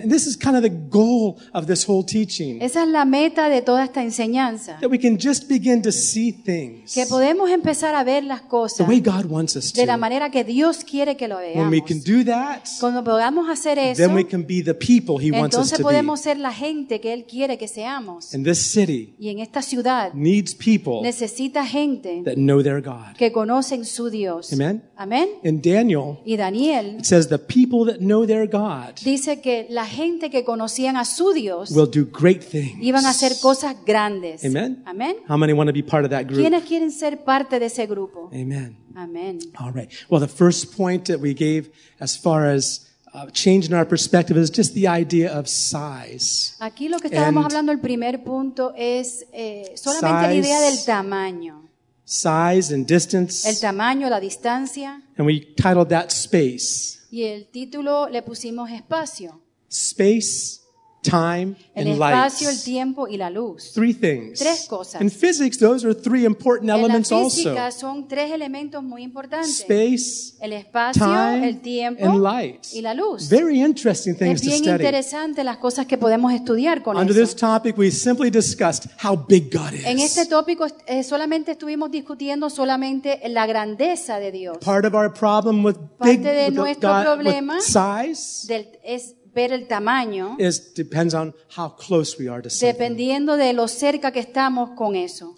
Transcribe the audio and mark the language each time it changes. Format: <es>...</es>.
<en>And this is kind of the goal of this whole teaching.</en> <es>Esa es la meta de toda esta enseñanza.</es> <en>That we can just begin to see things.</en> <es>Que podemos empezar a ver las cosas.</es> <en>The way God wants us to.</en> <es>De la manera que Dios quiere que lo veamos.</es> <en>When we can do that.</en> <es>Cuando podamos hacer eso.</es> <en>Then we can be the people He wants us to be.</en> <es>Entonces podemos ser la gente que Él quiere que seamos.</es> <en>And this city.</en> <es>Y en esta ciudad.</es> <en>Needs people.</en> <es>Necesita gente.</es> <en>That know their God.</en> <es>Que conocen su Dios.</es> <en>Amen.</en> <es>Amen.</es> <en>And Daniel.</en> <es>Y Daniel.</es> <en>It says the people that know their God.</en> <es>Dice que la gente que conocían a su Dios</es> <en>will do great things.</en> <es>Iban a hacer cosas grandes.</es> <en>Amen.</en> <es>Amen.</es> <en>How many want to be part of that group?</en> <es>¿Quiénes quieren ser parte de ese grupo?</es> <en>Amen.</en> <es>Amen.</es> <en>All right. Well, the first point that we gave as far as changing our perspective is just the idea of size.</en> <es>Aquí lo que estábamos</es> <en>and</en> <es>hablando el primer punto es solamente la idea del tamaño.</es> <en>Size and distance.</en> <es>El tamaño, la distancia.</es> <en>And we titled that space.</en> <es>Y el título le pusimos espacio.</es> <en>Space, time, and light.</en> <es>El espacio, el tiempo y la luz.</es> <en>Three things.</en> <es>Tres cosas.</es> <en>In physics, those are three important elements also.</en> <es>En la física son tres elementos muy importantes.</es> <en>Space,</en> <es>el espacio,</es> <en>time,</en> <es>el tiempo,</es> <en>and light.</en> <es>Y la luz.</es> <en>Very interesting things to study.</en> <es>Es bien interesante las cosas que podemos estudiar con eso.</es> <en>Under this topic, we simply discussed how big God is.</en> <es>En este tópico solamente estuvimos discutiendo solamente la grandeza de Dios.</es> <en>Part of our problem with big,</en> <es>Parte de nuestro</es> <en>with God,</en> <es>problema</es> <en>with size,</en> <es>del, es ver el tamaño</es> <en>is, depends on how close we are to something.</en> <es>Dependiendo de lo cerca que estamos con eso.</es>